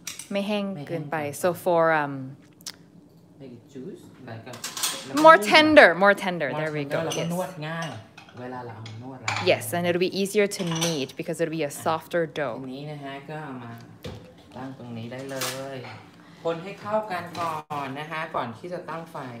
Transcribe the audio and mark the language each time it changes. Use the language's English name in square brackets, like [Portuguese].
[Thai] ไม่แห้งเกินไป [English] so for like juice like more tender there we go [Thai] yes นวดง่ายเวลาเราเอามานวดแล้ว [English] yes and it'll be easier to knead because it'll be a softer dough [Thai] นี้นะฮะก็เอามาตั้งตรงนี้ได้เลยคนให้เข้ากันก่อนนะฮะก่อนที่จะตั้งไฟ